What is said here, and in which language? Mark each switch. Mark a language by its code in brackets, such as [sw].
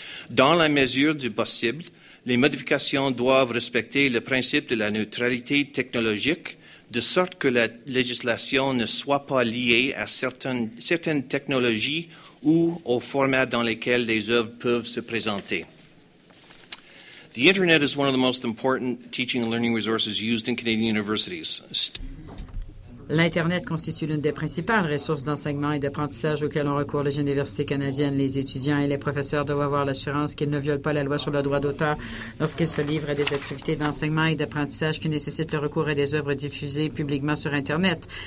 [fr] Dans la mesure du possible, les modifications doivent respecter le principe de la neutralité technologique, de sorte que la législation ne soit pas liée à certaines technologies ou aux formats dans lesquels les œuvres peuvent se présenter. [en] The Internet is one of the most important teaching and learning resources used in Canadian universities. [fr] L'Internet constitue l'une des principales ressources d'enseignement et d'apprentissage auxquelles ont recours les universités canadiennes. Les étudiants et les professeurs doivent avoir l'assurance qu'ils ne violent pas la loi sur le droit d'auteur lorsqu'ils se livrent à des activités d'enseignement et d'apprentissage qui nécessitent le recours à des œuvres diffusées publiquement sur Internet.